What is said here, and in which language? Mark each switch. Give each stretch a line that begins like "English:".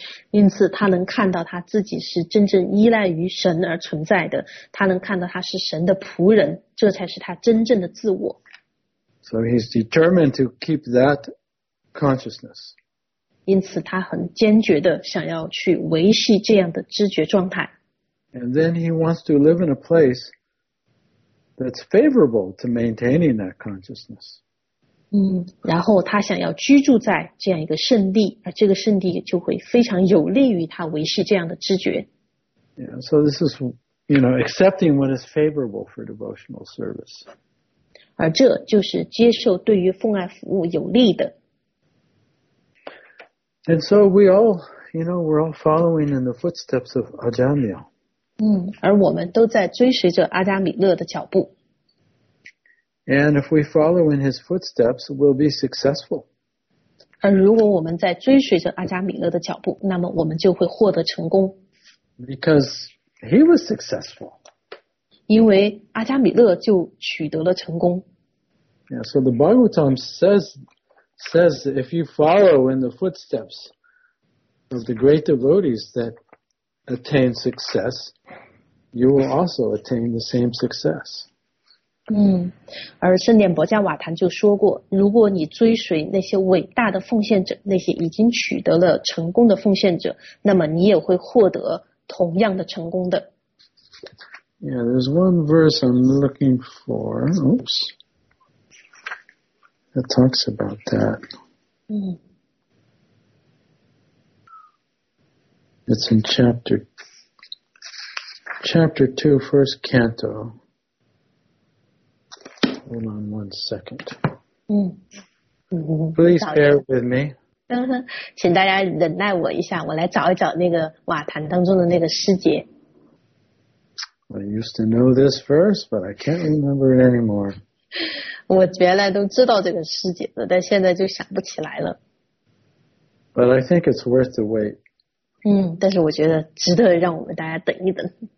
Chinese: 因此他能看到他自己是真正依赖于神而存在的，他能看到他是神的仆人，这才是他真正的自我。
English: So he's determined to keep that consciousness.
Chinese: 因此他很坚决地想要去维系这样的知觉状态。
English: And then he wants to live in a place that's favorable to maintaining that consciousness.
Chinese: 然后他想要居住在这样一个圣地，而这个圣地就会非常有利于他维系这样的知觉。
English: Yeah, so this is, you know, accepting what is favorable for devotional service.
Chinese: 而这就是接受对于奉爱服务有利的。
English: And so we all, you know, we're all following in the footsteps of Ajamil.
Chinese: 而我们都在追随着阿加米勒的脚步。
English: And if we follow in his footsteps, we'll be successful.
Chinese: 而如果我们在追随着阿加米勒的脚步，那么我们就会获得成功。
English: Because he was successful.
Chinese: 因为阿加米勒就取得了成功。
English: Yeah, so the Bhagavatam says if you follow in the footsteps of the great devotees that attain success, you will also attain the same success.
Chinese: 而圣典薄伽瓦坛就说过，如果你追随那些伟大的奉献者，那些已经取得了成功的奉献者，那么你也会获得同样的成功的。
English: Yeah, there's one verse I'm looking for. Oops. It talks about that. It's in chapter 2, first canto. Hold on one second. Please bear with me.
Chinese: 请大家忍耐我一下，我来找一找那个瓦坛当中的那个诗节。
English: I used to know this verse, but I can't remember it anymore.
Chinese: 我原来都知道这个诗节的，但现在就想不起来了。
English: But I think it's worth the wait.
Chinese: 但是我觉得值得让我们大家等一等。